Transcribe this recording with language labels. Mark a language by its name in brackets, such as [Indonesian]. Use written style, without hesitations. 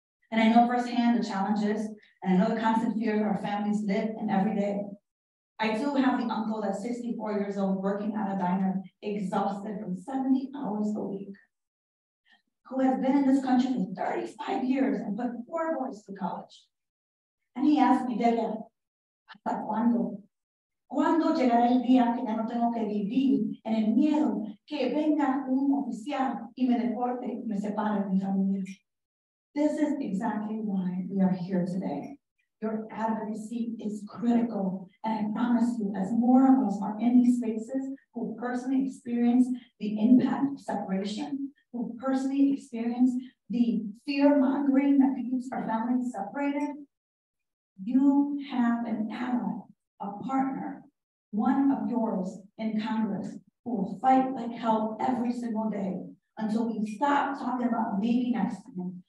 [English] And I know firsthand the challenges, and I know the constant fear our families live in every day. I do have the uncle that's 64 years old working at a diner, exhausted from 70 hours a week, who has been in this country for 35 years and put 4 boys to college. And he asked me, Delia, [Spanish] ¿hasta cuándo? ¿Cuándo llegará el día que ya no tengo que vivir en el miedo que venga un oficial y me deporte y me separe de mi familia? [English] This is exactly why we are here today. Your advocacy is critical. And I promise you, as more of us are in these spaces who personally experience the impact of separation, who personally experience the fear mongering that keeps our families separated, you have an ally, a partner, one of yours in Congress who will fight like hell every single day until we stop talking about maybe next time.